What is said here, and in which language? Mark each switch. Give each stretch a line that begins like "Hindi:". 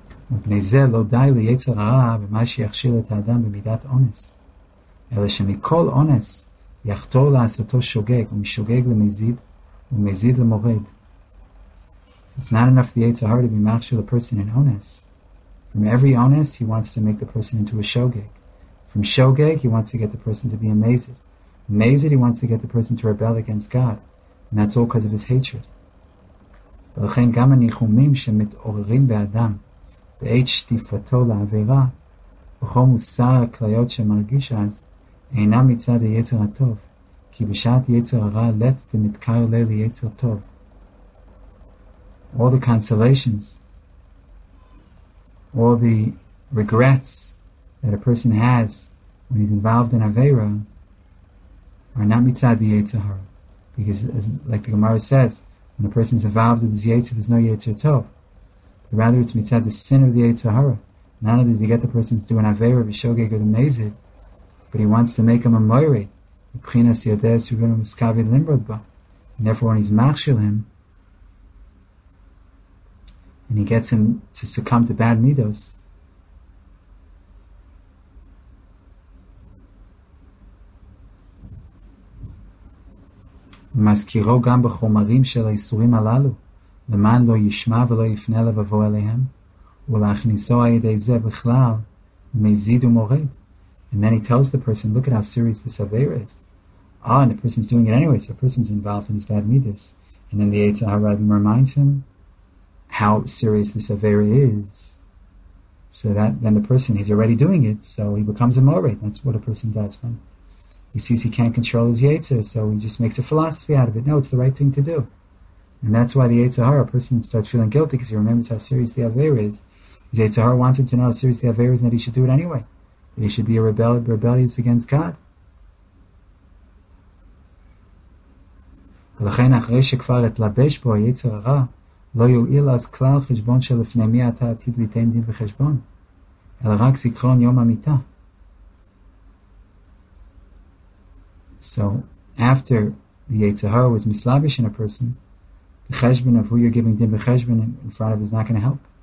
Hebrew: ובני זה לא די ליצר הרע ומה שיכשיל את האדם במידת אונס, אלא שמכל אונס יחתור לעשותו שוגג, ומשוגג למזיד, ומזיד למורד.
English: So it's not enough the Yetzer Hara to be machshil a person in ones. From every ones, he wants to make the person into a shogeg. From shogeg, he wants to get the person to be a mezid. Mezid, he wants to get the person to rebel against God. And that's all because of his hatred.
Hebrew: ולכן גם הניחומים שמתעוררים באדם, בעת שטיפתו לעבירה, בכל מוסר הכליות שמרגיש אז, אינה מצד היצר הטוב, כי בשעת יצר הרע לט דמתקר ליה ליצר טוב.
English: All the consolations, all the regrets that a person has when he's involved in Aveira are not מצד יצר הרע. Because as, like the Gemara says, when a person's involved in this Yetzer, there's no Yetzer Tov. But rather it's מצד the sin of the Yetzer Hara. Not only did he get the person to do an Aveira, Vishogeg, or the Mezid, but he wants to make him a moire,
Hebrew: b'chinas yodeh suvinu miskavid limrod ba.
English: And therefore when he's machshil him, and he gets him to succumb to bad midos,
Hebrew: ומזכירו גם בחומרים של האיסורים הללו, למען לא ישמע ולא יפנה לבבו אליהם, ולהכניסו על ידי זה בכלל, מזיד ומורד.
English: And then he tells the person, look at how serious this aveira is. Ah, and the person's doing it anyway, so the person's involved in his bad midas. And then the Yetzer Hara reminds him how serious this aveira is. So that then the person, he's already doing it, so he becomes a morid. That's what a person does when he sees he can't control his Yetzer, so he just makes a philosophy out of it. No, it's the right thing to do. And that's why the Yetzer Hara, a person starts feeling guilty because he remembers how serious the aveira is. The Yetzer Hara wants him to know how serious the aveira is and that he should do it anyway. He should be rebellious against God.
Hebrew: ולכן אחרי שכבר התלבש בו היצר הרע, לא יועיל אז כלל חשבון שלפני מי אתה עתיד ליתן דין וחשבון, אלא רק זיכרון יום המיטה.
English: So, after the Yetzer Hara was mislavish in a person, the cheshbon of who you're giving din v'cheshbon in front of is not going to help.